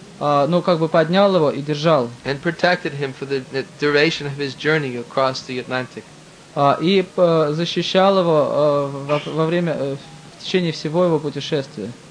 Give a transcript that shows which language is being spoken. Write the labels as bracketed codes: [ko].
[ru] Ну, как бы поднял его и держал. [en] And protected him for the duration of his journey across the Atlantic. [ru] И защищал его во время в течение всего его путешествия.